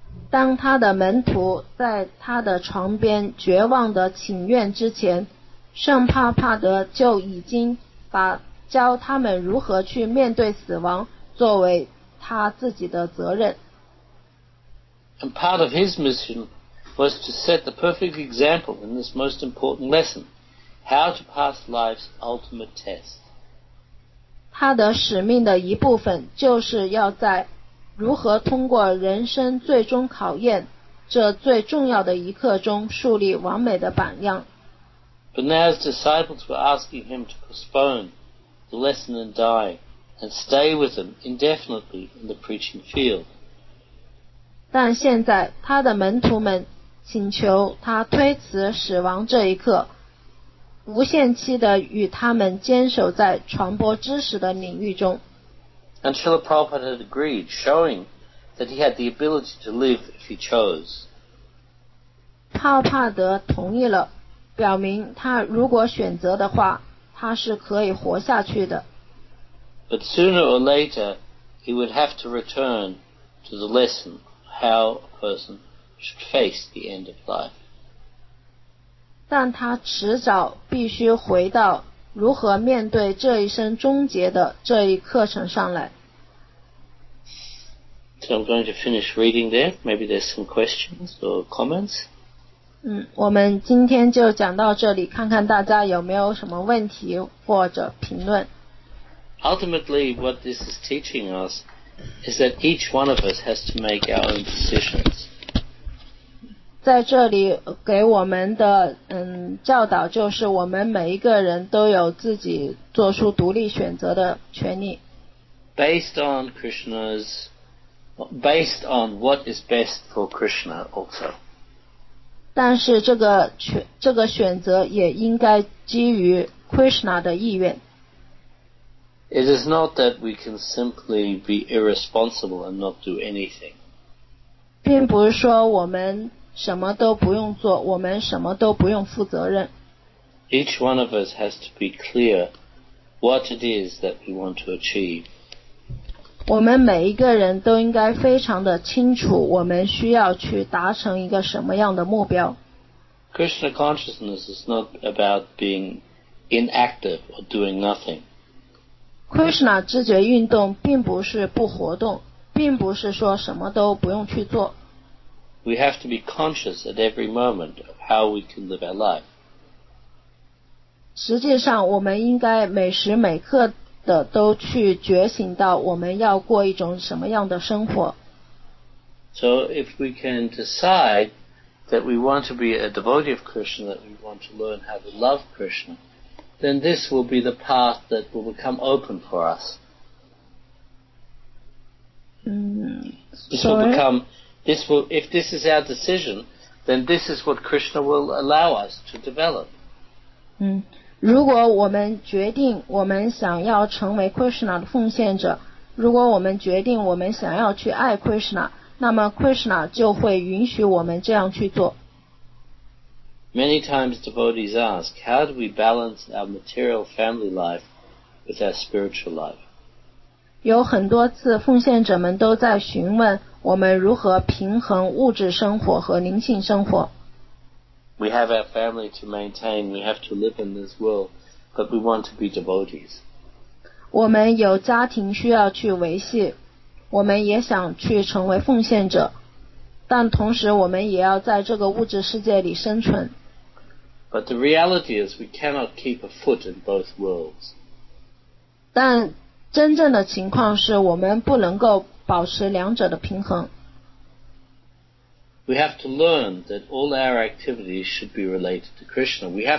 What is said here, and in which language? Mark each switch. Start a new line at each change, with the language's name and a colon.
Chinese: 当他的门徒在他的床边绝望的请愿之前，圣帕帕德就已经把教他们如何去面对死亡作为他自己的责任。
English: And part of his mission was to set the perfect example in this most important lesson, how to pass life's ultimate test.
Chinese: 他的使命的一部分就是要在如何通过人生最终考验这最重要的一刻中树立完美的榜样。
English: But now his disciples were asking him to postpone the lesson and die and stay with them indefinitely in the preaching field.
Chinese: 但现在他的门徒们请求他推辞死亡这一刻，无限期地与他们坚守在传播知识的领域中。
English: And Srila Prabhupada had agreed, showing that he had the ability to live if he chose.
Chinese: 泡帕德同意了，表明他如果选择的话，他是可以活下去的。
English: But sooner or later, he would have to return to the lesson how a person should face the end of life.
Chinese: 但他迟早必须回到如何面对这一生终结的这一课程上来。
English: So I'm going to finish reading there. Maybe there's some questions or comments.
Chinese: 我们今天就讲到这里，看看大家有没有什么问题或者评论。
English: Ultimately, what this is teaching us is that each one of us has to make our own decisions.
Chinese: 在这里给我们的教导就是我们每一个人都有自己做出独立选择的权利。
English: Based on what is best for Krishna also.
Chinese: 但是这个选择也应该基于 Krishna 的意愿。
English: It is not that we can simply be irresponsible and not do anything.
Chinese: 并不是说我们什么都不用做，我们什么都不用负责任。
English: Each one of us has to be clear what it is that we want to achieve.
Chinese: 我们每一个人都应该非常的清楚我们需要去达成一个什么样的目标。
English: Krishna consciousness is not about being inactive or doing nothing.
Chinese: Krishna 知觉运动并不是不活动，并不是说什么都不用去做。
English: We have to be conscious at every moment of how we can live our life.
Chinese: 实际上，我们应该每时每刻的都去觉醒到我们要过一种什么样的生活。
English: So if we can decide that we want to be a devotee of Krishna, that we want to learn how to love Krishna,then this will be the path that will become open for us. If this is our decision, then this is what Krishna will allow us to develop.
Chinese: 如果我们决定我们想要成为 Krishna 的奉献者，如果我们决定我们想要去爱 Krishna, 那么 Krishna 就会允许我们这样去做。
English: Many times devotees ask, how do we balance our material family life with our spiritual life?
Chinese: 有很多次奉献者们都在询问我们如何平衡物质生活和灵性生活。
English: We have our family to maintain, we have to live in this world, but we want to be devotees.
Chinese: 我们有家庭需要去维系，我们也想去成为奉献者。但同时我们也要在这个物质世界里生存。
English: But the reality is we cannot keep a foot in both worlds.
Chinese: 但真正的情况是我们不能够保持两者的平衡。
English: We have to learn that all our activities should be related to Krishna.